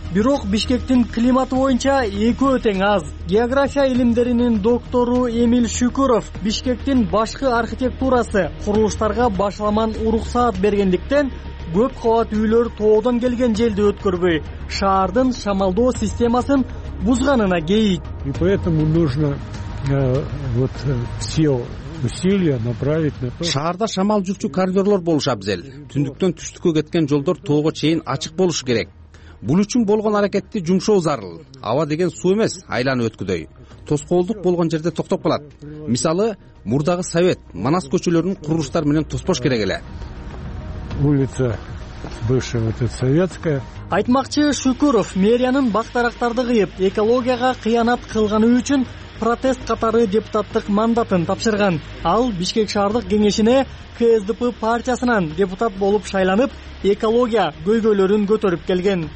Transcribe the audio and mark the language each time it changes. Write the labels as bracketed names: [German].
[Kyrgyz] Бирок Бишкектин климаты боюнча экөө тең аз. География илимдеринин доктору Эмиль Шүкүров Бишкектин башкы архитектурасы курулуштарга башламан уруксаат бергендиктен көп кабат үйлөр тоодон келген желди өткөрбөй, шаардын шамалдоо системасын бузганына кейит. [Russian] И поэтому нужно вот все усилия направить на то. [Kyrgyz] Шаарда шамал жүрчү коридорлор болушу абзел. Түндүктөн түштүккө кеткен жолдор тоого чейин ачык болушу керек. Бул үчүн болгон аракетти жумшоо зарыл. Аба деген суу эмес, айланы өткүдөй. Тоскоолдук болгон жерде токтоп калат. Мисалы, мурдагы Совет, Манас көчөлөрүн курулуштар менен тоспош керек эле. [Russian] Улица бывшая вот эта Советская. [Kyrgyz] Айтмакчы, Шүкүров мэриянын бак тарактарды кыйып, экологияга кыянат кылганы үчүн протест катары депутаттык мандатын тапшырган. Ал Бишкек шаардык кеңешине КСДП партиясынан депутат болуп шайланып, экология көйгөйлөрүн көтөрүп келген.